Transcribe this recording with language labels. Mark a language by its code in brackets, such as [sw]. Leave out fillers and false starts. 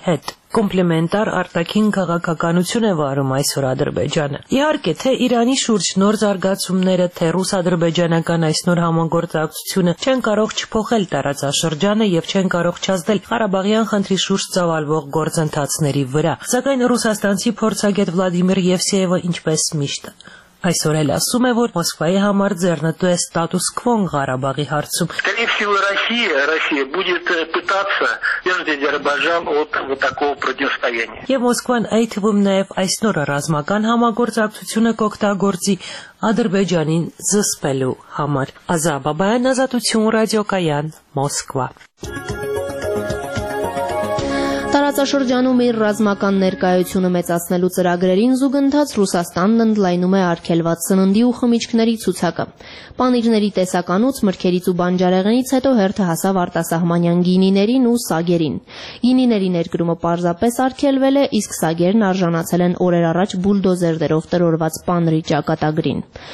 [hy] հետ։ Կոմպլիմենտար արտաքին քաղաքականություն է վարում այսօր Ադրբեջանը։ Իհարկե, թե Իրանի շուրջ նոր զարգացումները, թե ռուս-ադրբեջանական այս նոր համագործակցությունը չեն կարող չփոխել տարածաշրջանը և չեն կարող չազդել Ղարաբաղյան խնդրի շուրջ ծավալվող գործընթացների վրա։ Սակայն ռուսաստանցի փորձագետ Վլադիմիր Եվսեևը, ինչպես միշտ, այսօր էլ ասում է, որ Մոսկվայի համար ձեռնտու է ստատուս քվոն Ղարաբաղի հարցում։ [ru] Россия будет пытаться вернуть Азербайджан от вот такого противостояния. [hy] Եվ Մոսկվան այդ թվում նաև այս նոր ռազմական համագործակցությունը կօգտագործի Ադրբեջանին զսպելու համար։ Ազա Բաբայան, Ազատություն ռադիոկայան, Մոսկվա։ Տարածաշրջանում իր ռազմական ներկայությունը մեծացնելու ծրագրերին զուգընթաց Ռուսաստանն ընդլայնում է արգելված սննդի ու խմիչքների ցուցակը։ Պանիրների տեսականուց, մրգերից ու բանջարեղենից հետո հերթը հասավ արտասահմանյան գինիներին ու սագերին։ Գինիների ներկրումը պարզապես արգելվել է, իսկ սագերն արժանացել են օրեր առաջ բուլդոզերներով տրորված պանրի ճակատագրին։